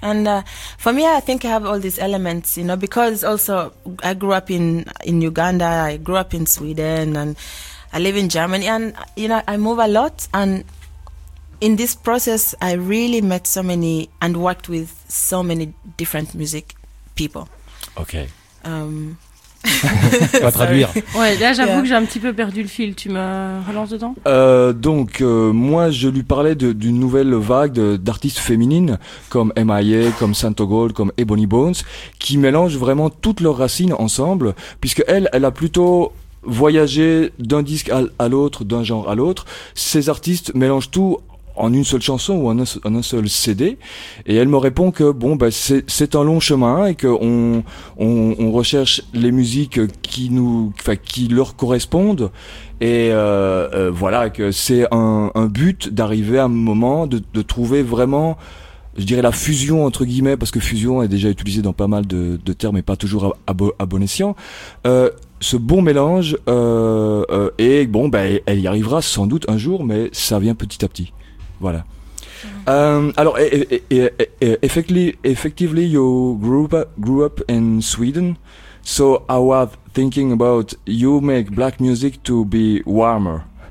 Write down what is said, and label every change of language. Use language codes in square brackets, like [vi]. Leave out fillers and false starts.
[en] And for me, I think I have all these elements, you know, because also I grew up in Uganda, I grew up in Sweden, and I live in Germany, and, you know, I move a lot, and in this process, I really met so many and worked with so many different music people. Okay. [fr] Tu vas traduire. Ouais, là j'avoue que j'ai un petit peu perdu le fil. Tu me relances dedans? Moi je lui parlais d'une nouvelle vague d'artistes féminines comme M.I.A., comme Santo Gold, comme Ebony Bones, qui mélangent vraiment toutes leurs racines ensemble, puisque elle a plutôt voyagé d'un disque à l'autre, d'un genre à l'autre. Ces artistes mélangent tout en une seule chanson ou en un seul CD, et elle me répond que bon, ben c'est un long chemin et que on recherche les musiques qui nous, enfin qui leur correspondent, et voilà, que c'est un but d'arriver à un moment de trouver vraiment, je dirais, la fusion entre guillemets, parce que fusion est déjà utilisée dans pas mal de termes et pas toujours à bon escient. Ce bon mélange, et bon, ben elle y arrivera sans doute un jour, mais ça vient petit à petit. Voilà. [en] Alors, effectively, you grew up in Sweden. So I was thinking about you make black music to be warmer.